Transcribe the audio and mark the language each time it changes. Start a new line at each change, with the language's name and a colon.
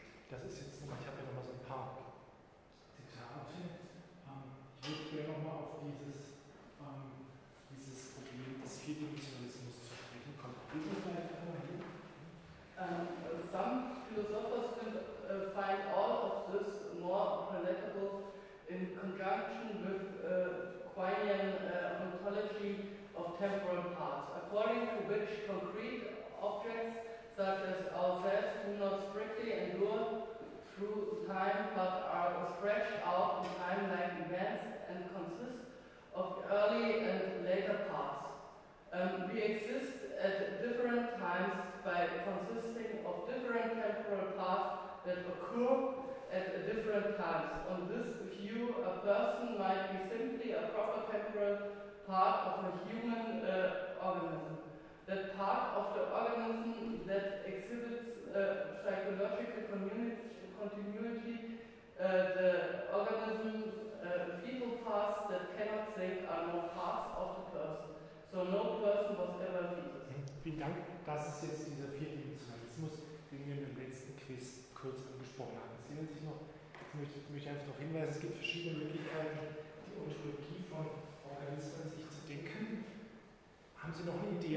German: Das ist jetzt nochmal, ich habe ja nochmal so ein paar Zitate. Ich würde gerne nochmal auf dieses Problem des Vierdimensionalismus zu sprechen kommen. Geht das vielleicht nochmal hin?
English: Some philosophers can find all of this more palatable in conjunction with Quine's ontology of temporal parts, according to which concrete objects such as ourselves do not strictly endure through time but are stretched out in time like events and consist of early and later parts. We exist at different times by consisting of different temporal parts that occur at different times. On this view, a person might be simply a proper temporal part of a human organism. That part of the organism that exhibits psychological continuity, the organism, fetal parts that cannot think are no parts of the person. So no person was ever fetus.
German: Vielen Dank. Das ist jetzt dieser Vierdimensionalismus, den wir im letzten Quiz kurz angesprochen haben. Sie erinnern sich noch, ich möchte einfach darauf hinweisen, es gibt verschiedene Möglichkeiten, die Ontologie von Organismen sich zu denken. Haben Sie noch eine Idee?